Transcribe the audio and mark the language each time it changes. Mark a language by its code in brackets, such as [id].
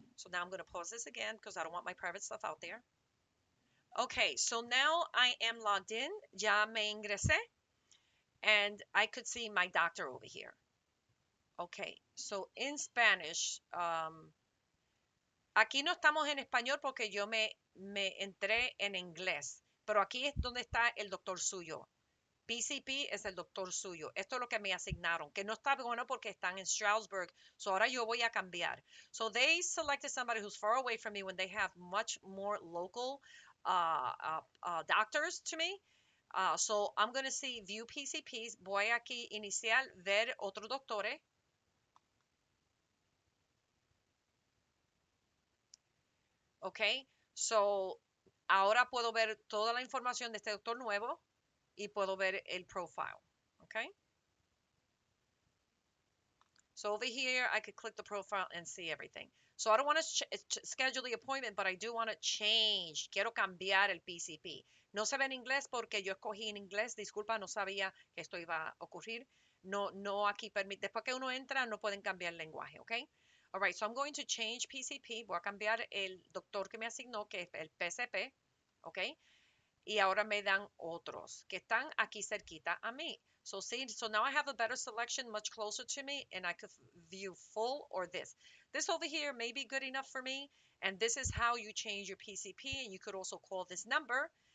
[en] So, now I'm going to pause this again because I don't want my private stuff out there. Ok, so now I am logged in. [es] Ya me ingresé. [en] And I could see my doctor over here. Okay, so in Spanish, [es] aquí no estamos en español porque yo me entré en inglés, pero aquí es donde está el doctor suyo. PCP es el doctor suyo. Esto es lo que me asignaron, que no está bueno porque están en Stroudsburg. So ahora yo voy a cambiar. [en] So they selected somebody who's far away from me when they have much more local doctors to me. So I'm going to see view PCPs. [es] Voy aquí inicial, ver otro doctor. Ok, so ahora puedo ver toda la información de este doctor nuevo y puedo ver el profile, ok. [en] So over here, I could click the profile and see everything. So I don't want to schedule the appointment, but I do want to change. [es] Quiero cambiar el PCP. No se ve en inglés porque yo escogí en inglés. Disculpa, no sabía que esto iba a ocurrir. No aquí permite. Después que uno entra, no pueden cambiar el lenguaje, ok. [en] All right, so I'm going to change PCP. [es] Voy a cambiar el doctor que me asignó, que es el PCP, ¿ok? Y ahora me dan otros que están aquí cerquita a mí. [en] So see, so now I have a better selection much closer to me, and I could view full or this. This over here may be good enough for me, and this is how you change your PCP, and you could also call this number.